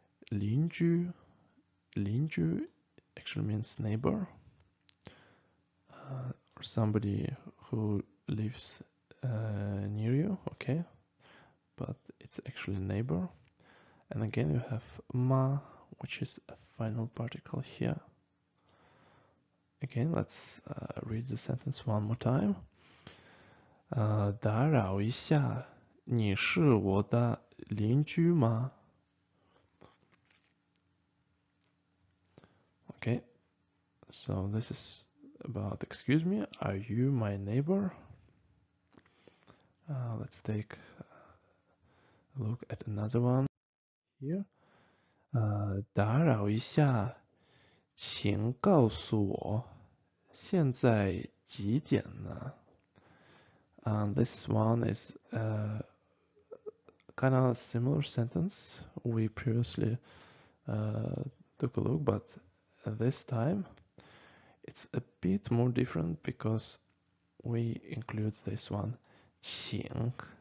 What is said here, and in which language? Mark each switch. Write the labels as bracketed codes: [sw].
[en] 邻居 actually means neighbor or somebody who lives near you. Okay, but it's actually neighbor. And again, you have ma, which is a final particle here. Again, let's read the sentence one more time. [zh] 打扰一下，你是我的邻居吗？ [en] Okay, so this is about, excuse me, are you my neighbor? Let's take a look at another one here. [zh] 打扰一下，请告诉我现在几点呢？ [en] This one is a kind of similar sentence we previously took a look, but this time it's a bit more different because we include this one, 请.